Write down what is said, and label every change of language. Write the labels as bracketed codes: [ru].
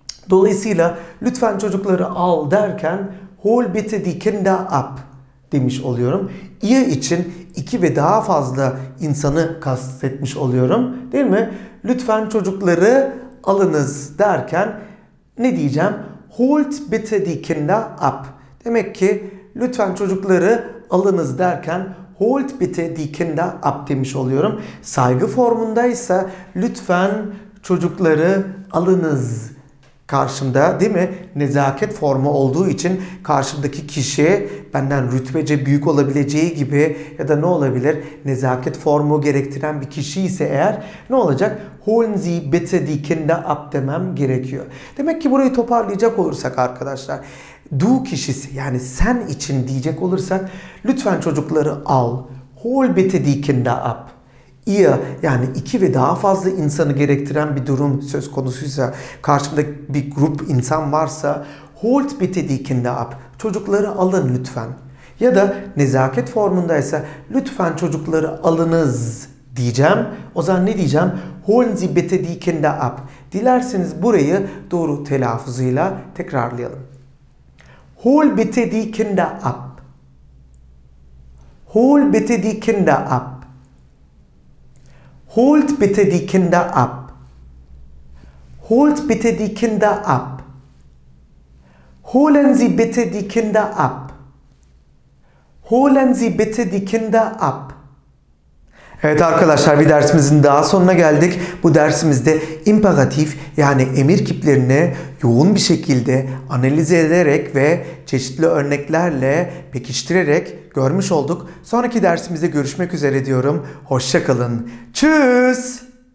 [tr] Dolayısıyla lütfen çocukları al derken [de] hol bitte die Kinder ab [tr] demiş oluyorum. İyi için iki ve daha fazla insanı kastetmiş oluyorum, değil mi? Lütfen çocukları alınız derken ne diyeceğim? [de] Holt bitte die Kinder ab. [tr] Demek ki lütfen çocukları alınız derken [de] holt bitte die Kinder ab [tr] demiş oluyorum. Saygı formundaysa lütfen çocukları alınız karşımda, değil mi? Nezaket formu olduğu için karşımdaki kişi benden rütbece büyük olabileceği gibi ya da ne olabilir? Nezaket formu gerektiren bir kişi ise eğer ne olacak? [de] Holen Sie bitte die Kinder ab [tr] demem gerekiyor. Demek ki burayı toparlayacak olursak arkadaşlar, du kişisi yani sen için diyecek olursak lütfen çocukları al. [de] Holen bitte die Kinder ab. [tr] Ihr yani iki ve daha fazla insanı gerektiren bir durum söz konusuysa, karşımda bir grup insan varsa [de] holt bitte die Kinder ab. [tr] Çocukları alın lütfen. Ya da nezaket formundaysa lütfen çocukları alınız diyeceğim. O zaman ne diyeceğim? [de] Holen Sie bitte die Kinder ab. [tr] Dilerseniz burayı doğru telaffuzuyla tekrarlayalım. [de] Holt bitte die Kinder ab. Holt bitte die Kinder ab. Holt bitte die Kinder ab. Holt bitte die Kinder ab. Holen Sie bitte die Kinder ab. Holen Sie bitte die Kinder ab. [tr] Evet arkadaşlar, bir dersimizin daha sonuna geldik. Bu dersimizde imperatif yani emir kiplerini yoğun bir şekilde analiz ederek ve çeşitli örneklerle pekiştirerek görmüş olduk. Sonraki dersimizde görüşmek üzere diyorum. Hoşça kalın. Tschüss.